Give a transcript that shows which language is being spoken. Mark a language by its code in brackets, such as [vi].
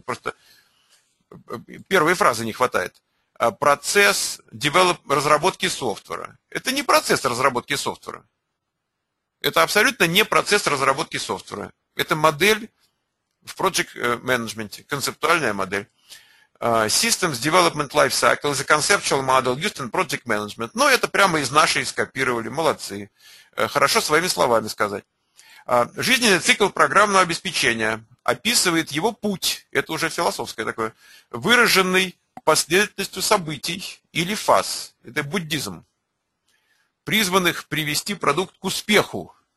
[ru] Просто первой фразы не хватает. Процесс разработки софтвера. Это не процесс разработки софтвера. Это абсолютно не процесс разработки софтвера. Это модель в Project Management, концептуальная модель. [en] Systems Development Lifecycle is a conceptual model used in Project Management. [ru] Ну, это прямо из нашей скопировали, молодцы. Хорошо своими словами сказать. Жизненный цикл программного обеспечения описывает его путь, это уже философское такое, выраженный последовательностью событий или фаз, это буддизм, призванных привести продукт к успеху.